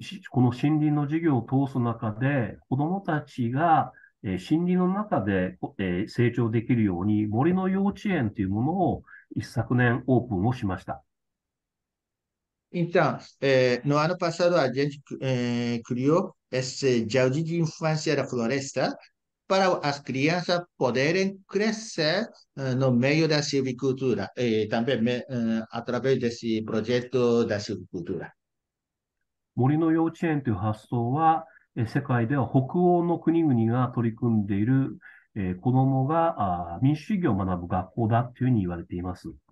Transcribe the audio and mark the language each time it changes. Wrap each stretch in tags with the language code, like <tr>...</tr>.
<ja>この森林の事業を通す中で、子どもたちが森林の中で成長できるように、森の幼稚園というものを一昨年オープンをしました。</ja> <pt>Então, no ano passado a gente criou esse Jardim de Infância da Floresta para as crianças poderem crescer no meio da silvicultura e também através desse projeto da silvicultura.</pt> <ja>森の幼稚園という発想は、世界では北欧の国々が取り組んでいる、子どもが民主主義を学ぶ学校だというふうに言われています。</ja>